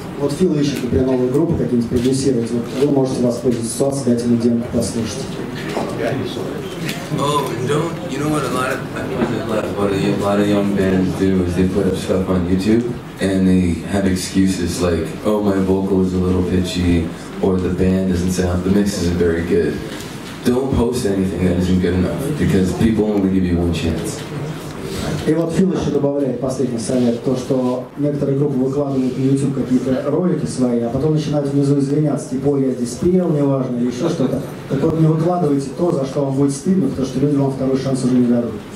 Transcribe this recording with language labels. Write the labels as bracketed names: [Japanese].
[Russian] Вот Фил ищет, группу какие-нибудь продюсировать. Вот вы можете воспользоваться ситуацией, дать ему демку послушать. [English] Oh, and don't you know what a lot of young bands do is they put up stuff on YouTube and they have excuses like, oh, my vocal is a little pitchy. Or the band doesn't sound, the mix isn't very good. Don't post anything that isn't good enough, because people only give you one chance. [Russian] И вот Фил еще добавляет последний совет, то, что некоторые группы выкладывают на YouTube какие-то ролики свои, а потом начинают внизу извиняться, типа, ой, я здесь пел, неважно, или еще что-то. Так вот, не выкладывайте то, за что вам будет стыдно, потому что люди вам второй шанс уже не дадут.